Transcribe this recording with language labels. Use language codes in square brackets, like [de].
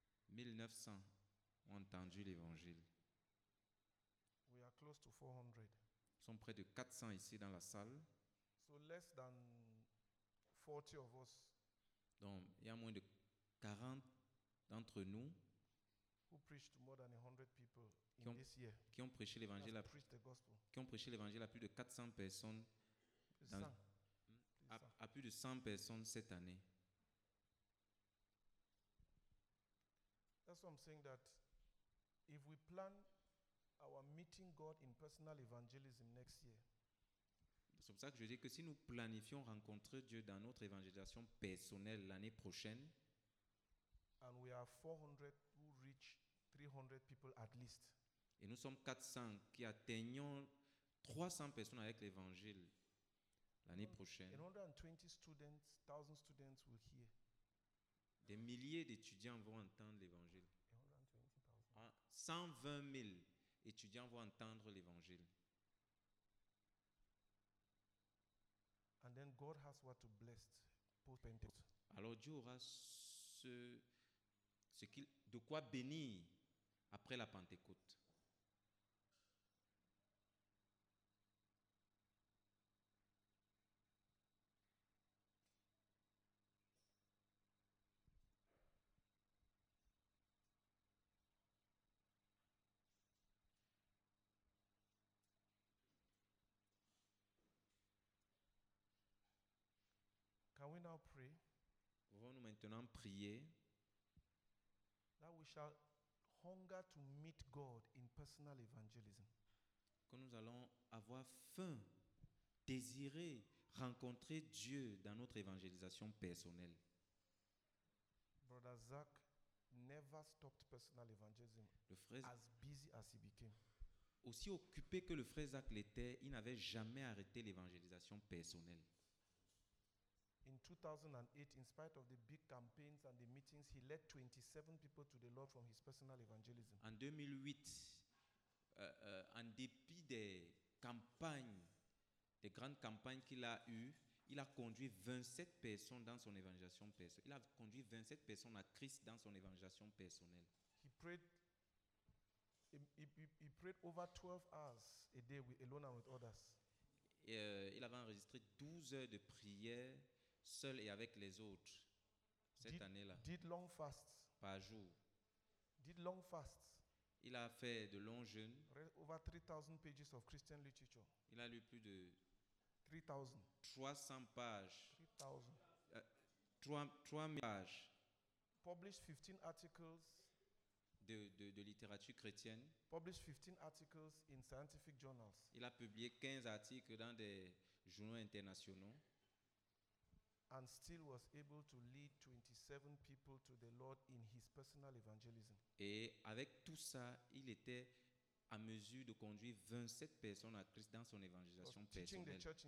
[fr] 1900 ont entendu l'évangile. [en] We are close to 400. [fr] Nous sommes près de 400 ici dans la salle. [en] So less than 40 of us. [fr] Donc il y a moins de 40 d'entre nous [en] who preached more than 100 people in this year. [fr] Qui ont prêché l'évangile à [en] preached the gospel. [fr] Qui ont prêché l'évangile à plus de 400 personnes dans, à plus de 100 personnes cette année. [en] That's what I'm saying, that if we plan our meeting God in personal evangelism next year. [fr] C'est pour ça que je dis que si nous planifions rencontrer Dieu dans notre évangélisation personnelle l'année prochaine, [en] and we are 400 who reach 300 people at least. [fr] Et nous sommes 400 qui atteignons 300 personnes avec l'évangile l'année prochaine. [en] 120 students, 1,000 students will hear. [fr] Des milliers d'étudiants vont entendre l'évangile. 120 000 étudiants vont entendre l'évangile. [en] And then God has what to bless post-Pentecost. [fr] Alors Dieu aura ce qu'il, de quoi bénir après la Pentecôte. [en] we now pray? [fr] Pouvons-nous maintenant prier? [en] That we shall hunger to meet God in personal evangelism. [fr] Que nous allons avoir faim, désirer rencontrer Dieu dans notre évangélisation personnelle. [en] Brother Zach never stopped personal evangelism. [fr] Le frère [en] as busy as he became. [fr] Aussi occupé que le frère Zach l'était, il n'avait jamais arrêté l'évangélisation personnelle. [en] In 2008, in spite of the big campaigns and the meetings, he led 27 people to the Lord from his personal evangelism. [fr] En 2008, en dépit des campagnes, des grandes campagnes qu'il a eues, il a conduit 27 personnes dans son évangélisation personnelle. Il a conduit 27 personnes à Christ dans son évangélisation personnelle. [en] He prayed over 12 hours a day with, alone and with others. [fr] Il avait enregistré 12 heures de prière seul et avec les autres cette année-là. [en] Did long fasts. [fr] Par jour. [en] Did long fasts. [fr] Il a fait de longs jeûnes. [en] Read over 3,000 pages of Christian literature. [fr] Il a lu plus de 300 pages. [en] 3,000 pages. Published 15 articles. [fr] De littérature chrétienne. [en] Published 15 articles in scientific journals. [fr] Il a publié 15 articles dans des journaux internationaux. [en] And still was able to lead 27 people to the Lord in his personal evangelism. [fr] Et avec tout ça, il était à mesure de conduire 27 personnes à Christ dans son évangélisation personnelle.